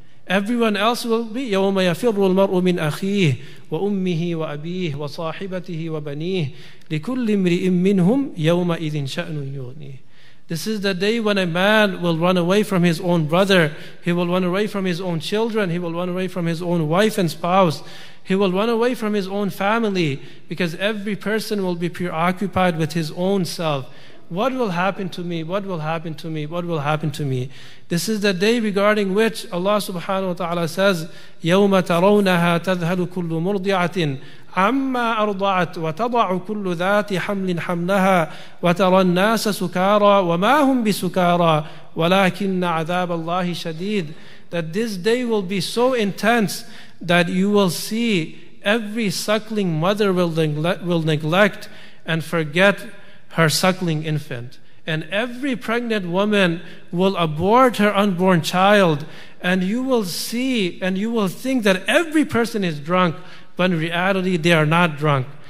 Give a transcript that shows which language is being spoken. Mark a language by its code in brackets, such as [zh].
[en] Everyone else will be [ar] يَوْمَ يَفِرُّ الْمَرْءُ مِنْ أَخِيهِ وَأُمِّهِ وَأَبِيهِ وَصَاحِبَتِهِ وَبَنِيهِ لِكُلِّ امْرِئٍ مِّنْهُمْ يَوْمَ إِذٍ شَأْنٌ يُغْنِيهِ. [en] This is the day when a man will run away from his own brother, he will run away from his own children, he will run away from his own wife and spouse, he will run away from his own family, because every person will be preoccupied with his own self. What will happen to me? What will happen to me? What will happen to me? This is the day regarding which Allah subhanahu wa ta'ala says, [ar] يَوْمَ تَرَوْنَهَا تَذْهَلُ كُلُّ مُرْضِعَةٍ عَمَّا أَرْضَعَتْ وَتَضَعُ كُلُّ ذَاتِ حَمْلٍ حَمْلَهَا وَتَرَى النَّاسَ سُكَارَى وَمَا هُمْ بِسُكَارَى وَلَكِنَّ عَذَابَ اللَّهِ شَدِيدٌ. [en] That this day will be so intense that you will see every suckling mother will neglect and forget her suckling infant. And every pregnant woman will abort her unborn child. And you will see and you will think that every person is drunk, but in reality they are not drunk.